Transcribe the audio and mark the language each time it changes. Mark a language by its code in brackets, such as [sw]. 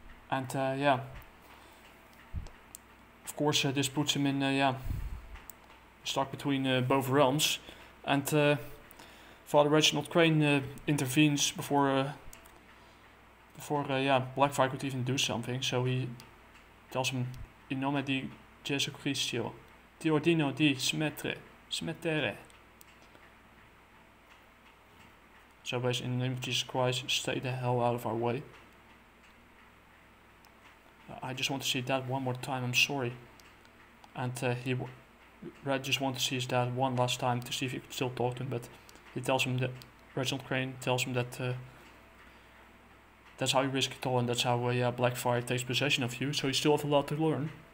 [en] And of course, this puts him in stuck between both realms. And Father Reginald Crane intervenes before Blackfire could even do something. So he tells him, [it] in nome di Gesù Cristo, ti ordino di smettere. [en] So basically, in the name of Jesus Christ, stay the hell out of our way. I just want to see that one more time, I'm sorry. And Red just wanted to see his dad one last time to see if he could still talk to him, but he tells him that, Reginald Crane tells him that that's how you risk it all, and that's how Blackfire takes possession of you, so you still have a lot to learn.